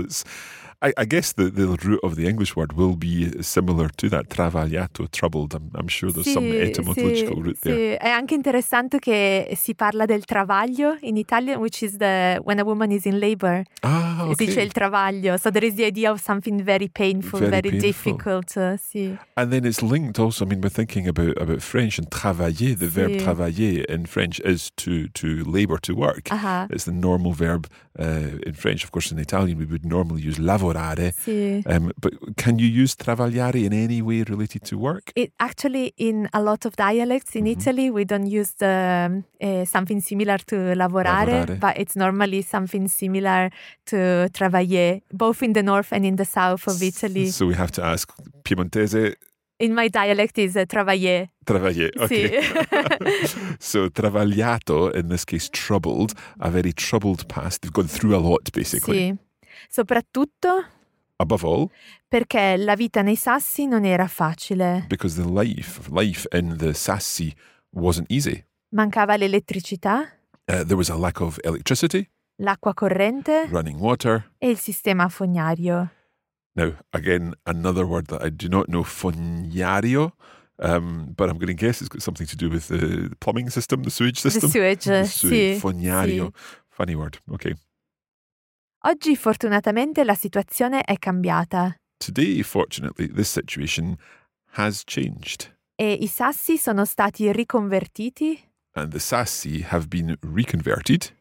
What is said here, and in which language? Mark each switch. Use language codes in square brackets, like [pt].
[en] It's, I guess the root of the English word will be similar to that, travagliato, troubled. I'm sure there's, [it] sì, [en] some etymological, [it] sì, [en] root, [it] sì, [en] there. [it] È anche interessante che si parla del travaglio [en] in Italian, which is the when a woman is in labor. Ah, okay. [it] Si dice il travaglio. [en] So there is the idea of something very painful, very, very painful. Difficult. Sì. And then it's linked also, I mean, we're thinking about French and travailler. The, sì, verb travailler in French is to labor, to work. Uh-huh. It's the normal verb in French. Of course, in Italian, we would normally use lavoro. [it] Lavorare, sì. [en] But can you use travagliare in any way related to work? It actually, in a lot of dialects in, mm-hmm, Italy, we don't use the something similar to lavorare, [it] lavorare, [en] but it's normally something similar to travailler, both in the north and in the south of Italy. So we have to ask Piemontese. In my dialect is travaillé. Travaillé, okay. [it] Sì. [en] So travagliato, in this case troubled, a very troubled past. They've gone through a lot, basically. [it] Sì. Soprattutto, [en] above all, [it] perché la vita nei sassi non era facile. [en] Because the life in the sassi wasn't easy. [it] Mancava l'elettricità. [en] There was a lack of electricity. [it] L'acqua corrente. [en] Running water. [it] E il sistema fognario. [en] Now, again, another word that I do not know, fognario, but I'm going to guess it's got something to do with the plumbing system, the sewage system. The sewage. Sì. [it] Fognario. Sì. [en] Funny word. Okay. [it] Oggi, fortunatamente, la situazione è cambiata. [en] Today, fortunately, this situation has changed. [it] E i sassi sono stati riconvertiti. [en] And the sassi have been reconverted.